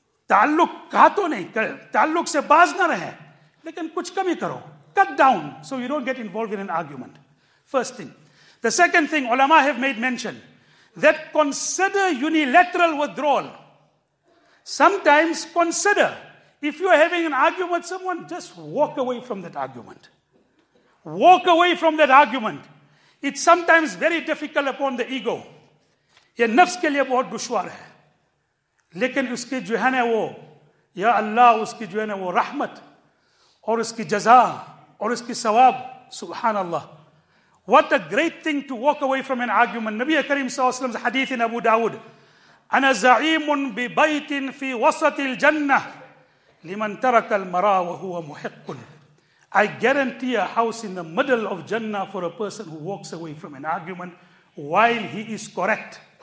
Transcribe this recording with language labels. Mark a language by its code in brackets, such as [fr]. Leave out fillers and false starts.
[ur] تعلق کاتو نہیں کر تعلق سے باز نہ رہے لیکن کچھ کمی کرو. [en] Cut down so you don't get involved in an argument. First thing. The second thing, علماء have made mention, that consider unilateral withdrawal. Sometimes consider, if you are having an argument with someone, just walk away from that argument. Walk away from that argument. It's sometimes very difficult upon the ego. [ur] یہ نفس کے لیے بہت دشوار ہے, لیکن اس کی جو ہے نا وہ یا اللہ اس کی جو ہے نا وہ رحمت اور اس کی جزا اور اس کی ثواب, سبحان اللہ. [en] What a great thing to walk away from an argument. [ur] نبی کریم صلی اللہ علیہ وسلم حدیث ابو داؤد, [ar] انا زعیم ببیت فی وسط الجنہ لمن ترک المرا وهو محق. [en] I guarantee a house in the middle of Jannah for a person who walks away from an argument while he is correct.